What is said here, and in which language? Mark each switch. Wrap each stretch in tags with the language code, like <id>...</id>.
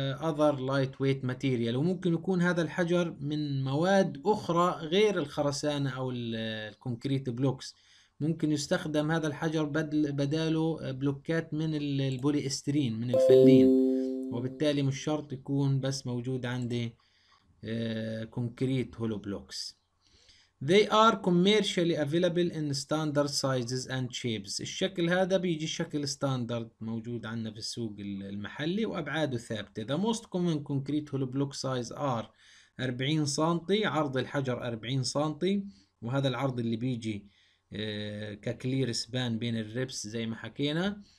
<en>other light weight material,</en> <ar>وممكن يكون هذا الحجر من مواد اخرى غير الخرسانة او الكونكريت بلوكس، ممكن يستخدم هذا الحجر بداله بلوكات من البولي استيرين من الفلين، وبالتالي مش شرط يكون بس موجود عندي كونكريت هولو بلوكس.</ar> <en>They are commercially available in standard sizes and shapes.</en> <ar>الشكل هذا بيجي شكل ستاندرد موجود عندنا في السوق المحلي وابعاده ثابته.</ar> <en>The most common concrete hollow block size are</en> <ar>40 سنتي، عرض الحجر 40 سنتي، وهذا العرض اللي بيجي ككلير سبان بين الريبس زي ما حكينا.</ar>